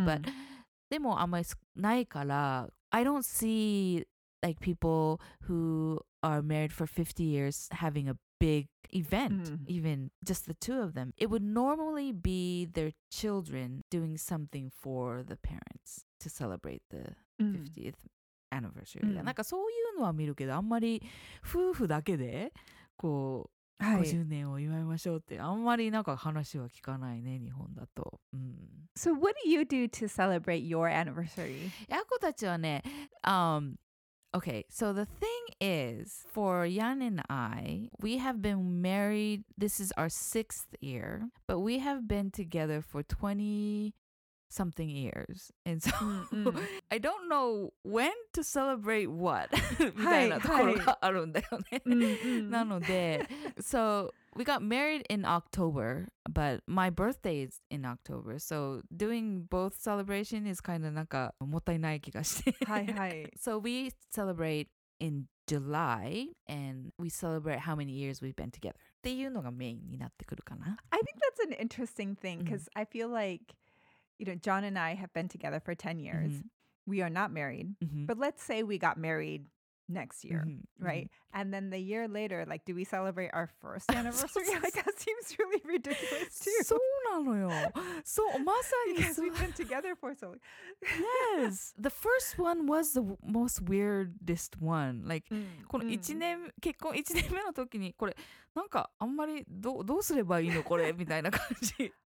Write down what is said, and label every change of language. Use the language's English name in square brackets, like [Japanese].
[English] But [Japanese] でもあんまりないから [English] I don't see like people who are married for 50 years having a big event, even just the two of them. It would normally be their children doing something for the parents to celebrate the 50th anniversary. [Japanese] なんかそういうのは見るけどあんまり夫婦だけでこう50年を祝いましょうってあんまりなんか話は聞かないね日本だと、 [English] So what do you do to celebrate your anniversary? [Japanese] ヤコたちはね、 [English] okay, so the thing is for Yan and I, we have been married, this is our 6th year, but we have been together for 20 something years. And so I don't know when to celebrate what. [Japanese] みたいなところがあるんだよね。なので、 [English] so we got married in October, but my birthday is in October. So doing both celebration is kind of [Japanese] なんかもったいない気がして。はいはい。 [English] So we celebrate in July and we celebrate how many years we've been together. [Japanese] っていうのがメインになってくるかな。 [English] I think that's an interesting thing because I feel like, you know, John and I have been together for 10 years. We are not married. But let's say we got married next year, right? And then the year later, like, do we celebrate our first anniversary? Like, that seems really ridiculous, too. [Japanese] そうなのよ。そう、まさに。 [English] Because we've been together for so long. Yes. The first one was the most weirdest one. [Japanese] Like, この1年、結婚1年目の時に、これ、なんかあんまりどうすればいいのこれ、みたいな感じ。